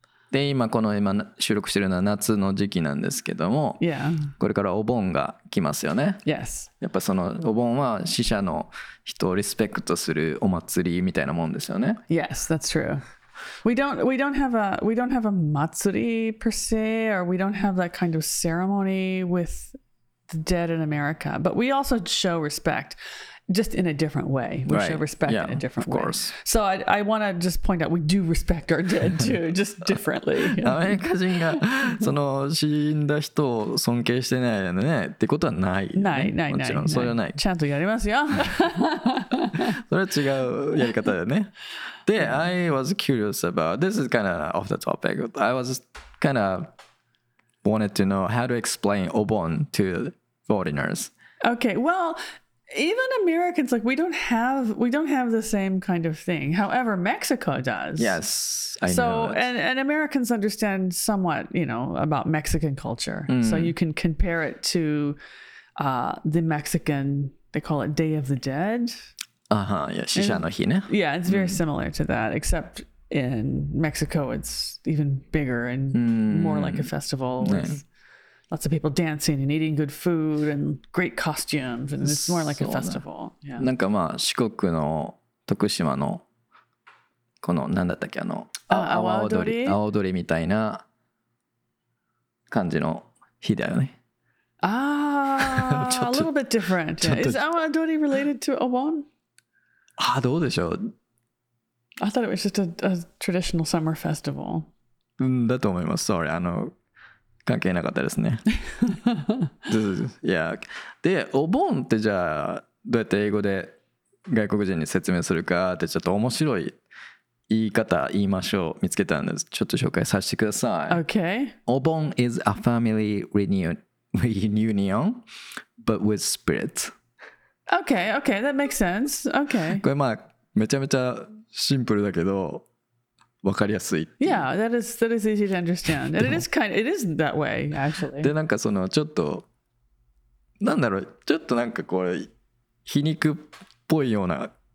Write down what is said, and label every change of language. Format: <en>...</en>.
<ja>で今この今収録してるのは夏の時期なんですけども、</ja> <en>yeah.</en> <ja>これからお盆が来ますよね。</ja> <en>Yes.</en> <ja>やっぱそのお盆は死者の人をリスペクトするお祭りみたいなもんですよね。</ja> <en>Yes, that's true. We don't have a matsuri per se, or we don't have that kind of ceremony with the dead in America. But we also show respect, just in a different way. We right. show respect yeah, in a different of way. Of course. So I want to just point out, we do respect our dead too, just differently.</en> <ja>Americans がその死んだ人を尊敬してないよねってことはない、ね。ない、ない、ない。もちろんそれはない。ちゃんとやりますよ。それは違うやり方だよね。</ja> <en>で、I was curious about, this is kind of off the topic, I was kind of wanted to know how to explain Obon to foreigners. Okay, well, even Americans, like, we don't have the same kind of thing. However, Mexico does. Yes, I know. So, and Americans understand somewhat, you know, about Mexican culture. Mm. So you can compare it to the Mexican, they call it Day of the Dead.</en> <ja>Uh-huh, yeah, 死者の日ね。</ja> <en>Yeah, it's very similar to that, except in Mexico it's even bigger and more like a festival with、ね、lots of people dancing and eating good food and great costumes and it's more like a festival.、</en> <ja>Yeah. なんかまあ四国の徳島のこの何だったっけあの阿波踊りみたいな感じの日だよね。</ja> <en>Ah, a little bit different.、Yeah. Is 阿波踊り related to Obon?</en> <ja>ああどうでしょう?</ja> <en>I thought it was just a traditional summer festival.</en> <ja>だと思います。</ja> <en>Sorry.</en> <ja>関係なかったですね。yeah. で、お盆ってじゃあどうやって英語で外国人に説明するかってちょっと面白い言い方言いましょう見つけたんです。ちょっと紹介させてください。</ja> <en>Okay. お盆 is a family reunion, but with spirits. Okay, okay, that makes sense. Okay.</en> <ja>これまあめちゃめちゃシンプルだけどわかりやすい。</ja> <en>Yeah, that is easy to understand. And it is that way, actually.</en> <ja>で、なんかそのちょっと、なんだろう、ちょっとなんかこう、皮肉っぽいような。</ja>